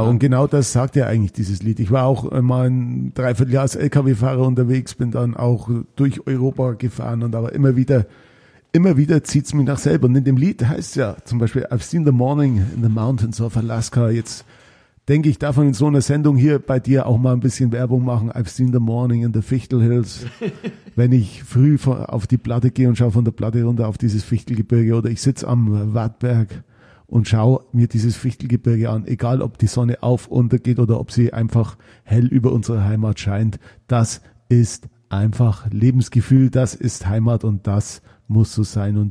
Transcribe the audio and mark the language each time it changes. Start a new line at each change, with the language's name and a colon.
German: Ja. Und genau das sagt ja eigentlich dieses Lied. Ich war auch mal ein Dreivierteljahr als LKW-Fahrer unterwegs, bin dann auch durch Europa gefahren und aber immer wieder zieht es mich nach Selb. Und in dem Lied heißt es ja zum Beispiel,
English: I've seen the morning in the mountains of Alaska.
German: Jetzt denke ich, darf man in so einer Sendung hier bei dir auch mal ein bisschen Werbung machen.
English: I've seen the morning in the Fichtel Hills.
German: Wenn ich früh auf die Platte gehe und schaue von der Platte runter auf dieses Fichtelgebirge oder ich sitze am Wartberg und schaue mir dieses Fichtelgebirge an, egal ob die Sonne auf untergeht oder ob sie einfach hell über unsere Heimat scheint, das ist einfach Lebensgefühl, das ist Heimat und das muss so sein.